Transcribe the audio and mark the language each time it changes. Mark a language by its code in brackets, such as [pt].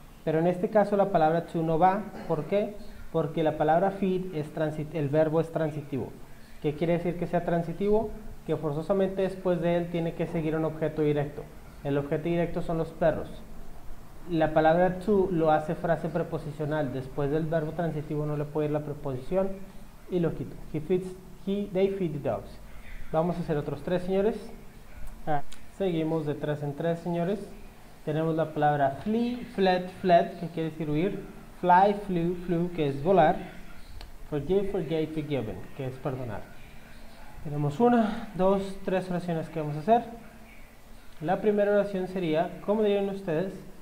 [es] Pero en este caso la palabra to no va. ¿Por qué? Porque la palabra feed es transitivo, el verbo es transitivo. ¿Qué quiere decir que sea transitivo? Que forzosamente después de él tiene que seguir un objeto directo. El objeto directo son los perros. La palabra to lo hace frase preposicional. Después del verbo transitivo no le puede ir la preposición y lo quito. [en] He feeds, he, they feed the dogs. [es] Vamos a hacer otros tres, señores. Seguimos de tres en tres, señores. Tenemos la palabra flee, fled, fled, que quiere decir huir. Fly, flew, flew, que es volar. Forgive, forgave, forgiven, que es perdonar. Tenemos una, dos, tres oraciones que vamos a hacer. La primera oración sería, ¿cómo dirían ustedes?